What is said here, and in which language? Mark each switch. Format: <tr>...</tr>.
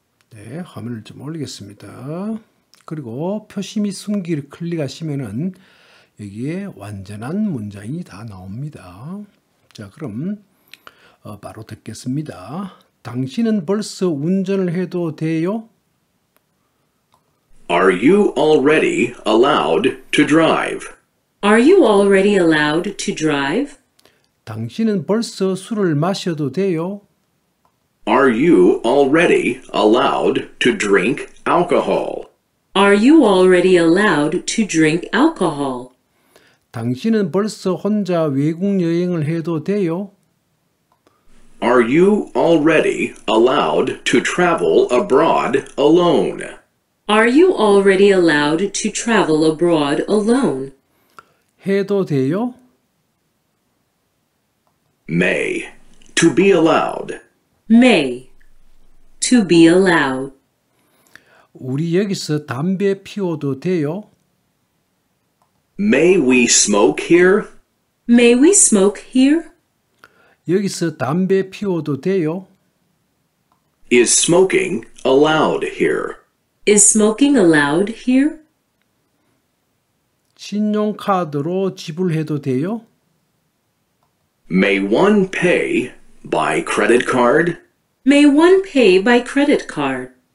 <ko>네, 화면을 좀 올리겠습니다. 그리고 표시 및 숨기를 클릭하시면은 여기에 완전한 문장이 다 나옵니다. 자, 그럼 바로 듣겠습니다. 당신은 벌써 운전을 해도 돼요?</ko> <en>Are you already allowed to drive? Are you already allowed to drive?</en> <ko>당신은 벌써 술을 마셔도 돼요?</ko> <en>Are you already allowed to drink alcohol? Are you already allowed to drink alcohol?</en> <ko>당신은 벌써 혼자 외국 여행을 해도 돼요?</ko> <en>Are you already allowed to travel abroad alone? Are you already allowed to travel abroad alone?</en> <ko>해도 돼요?</ko> <en>May. To be allowed. May. To be allowed.</en> <ko>우리 여기서 담배 피워도 돼요?</ko> <en>May we smoke here? May we smoke here?</en> <ko>여기서 담배 피워도 돼요?</ko> <en>Is smoking allowed here? Is smoking allowed here?</en> <ko>신용카드로 지불해도 돼요?</ko> <en>May one pay by credit card? May one pay by credit card?</en>